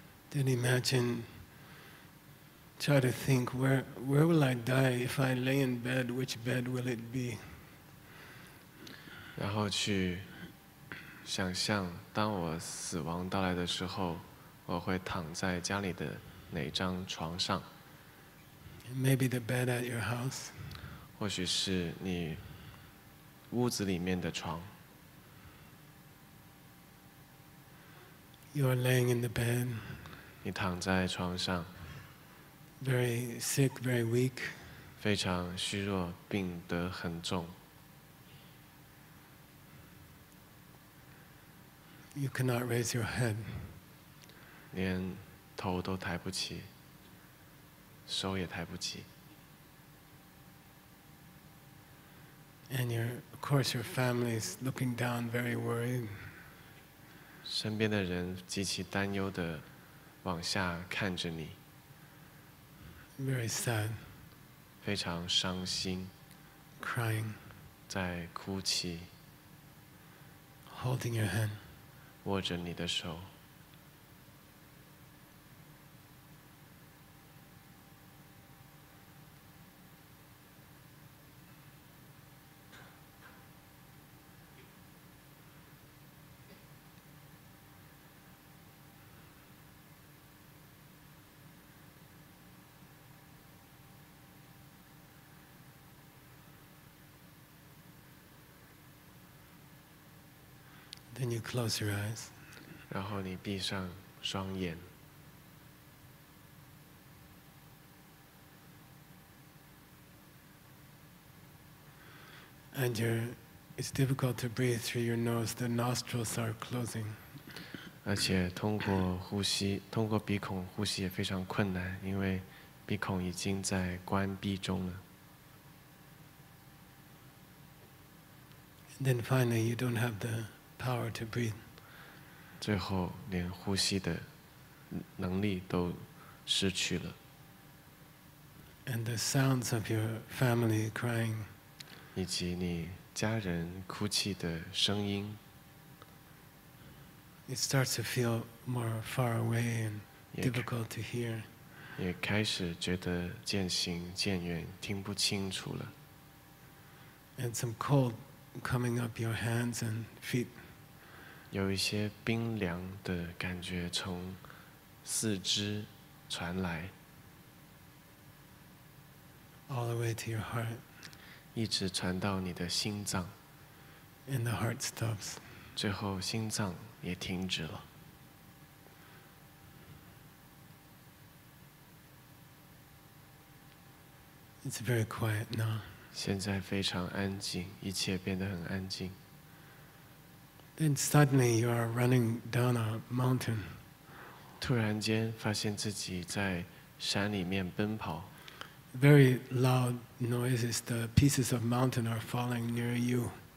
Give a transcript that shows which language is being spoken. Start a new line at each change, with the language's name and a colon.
English: Then imagine, try to think, where will I die? If I lay in bed, which bed will it be?
Chinese: 然后去想象，当我死亡到来的时候，我会躺在家里的哪张床上？
English: Maybe the bed at your house.
Chinese: 或许是你屋子里面的床。
English: You are laying in the bed.
Chinese: 你躺在床上。
English: Very sick, very weak.
Chinese: 非常虚弱，病得很重。
English: You cannot raise your head.
Chinese: 连头都抬不起，手也抬不起。
English: And your, of course, your family is looking down, very worried.
Chinese: 身边的人极其担忧地往下看着你。
English: Very sad.
Chinese: 非常伤心。
English: Crying.
Chinese: 在哭泣。
English: Holding your hand.
Chinese: 握着你的手。
English: Then you close your eyes.
Chinese: 然后你闭上双眼。
English: And your, it's difficult to breathe through your nose. The nostrils are closing.
Chinese: 而且通过呼吸，通过鼻孔呼吸也非常困难，因为鼻孔已经在关闭中了。
English: And then finally, you don't have the. Power to breathe.
Chinese: 最后连呼吸的能力都失去了。
English: And the sounds of your family crying.
Chinese: 以及你家人哭泣的声音。
English: It starts to feel more far away and difficult to hear.
Chinese: 也开始觉得渐行渐远，听不清楚了。
English: And some cold coming up your hands and feet.
Chinese: 有一些冰凉的感觉从四肢传来
English: ，all the way to your heart，
Chinese: 一直传到你的心脏
English: ，and the heart stops，
Chinese: 最后心脏也停止了。
English: It's very quiet now。
Chinese: 现在非常安静，一切变得很安静。
English: Then suddenly you are running down a mountain.
Chinese: 突然间发现自己在山里面奔跑。
English: Very loud noises. The pieces of mountain are falling near you.